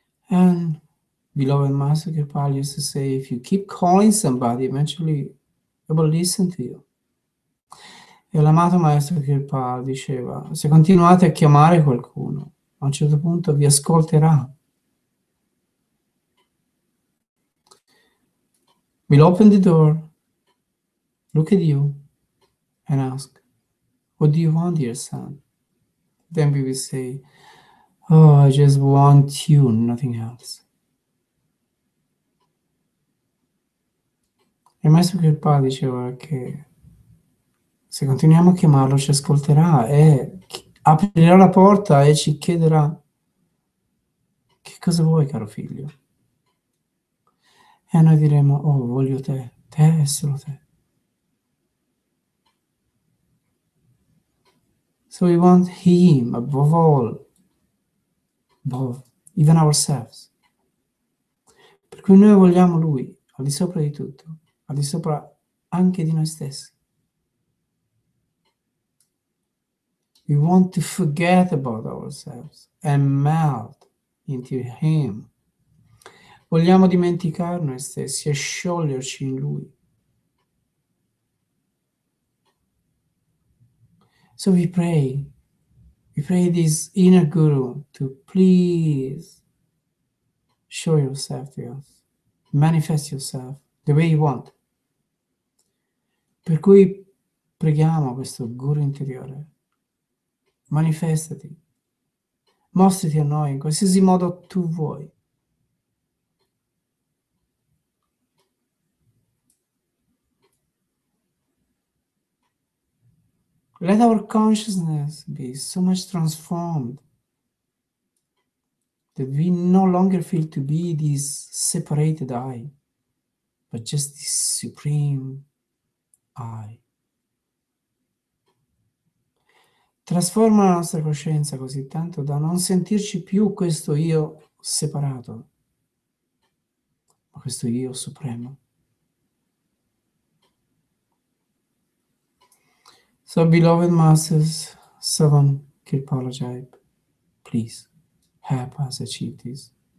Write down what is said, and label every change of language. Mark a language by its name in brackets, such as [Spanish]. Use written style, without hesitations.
[English] And beloved Master Kripal used to say, if you keep calling somebody, eventually they will listen to you. [Italian] E l'amato Maestro Kripal diceva, se continuate a chiamare qualcuno, a un certo punto vi ascolterà. [English] We'll open the door, look at you, and ask, what do you want, dear son? Then we will say, oh, I just want you, nothing else. [Italian] E Maestro Kripal diceva che se continuiamo a chiamarlo ci ascolterà e aprirà la porta e ci chiederà che cosa vuoi, caro figlio? E noi diremo, oh, voglio te, te e solo te. [English] So we want him above all, above, even ourselves. [Italian] Per cui noi vogliamo lui al di sopra di tutto, al di sopra anche di noi stessi. [English] We want to forget about ourselves and melt into him. [Italian] Vogliamo dimenticare noi stessi e scioglierci in lui. [English] So we pray this inner guru to please show yourself to us, manifest yourself the way you want. [Italian] Per cui preghiamo questo guru interiore, manifestati, mostrati a noi in qualsiasi modo tu vuoi. [English] Let our consciousness be so much transformed that we no longer feel to be this separated I, but just this supreme I. [Italian] Trasforma la nostra coscienza così tanto da non sentirci più questo io separato, ma questo io supremo. [English] So, beloved Masters, Sawan Kripal Jaip, please help us achieve this.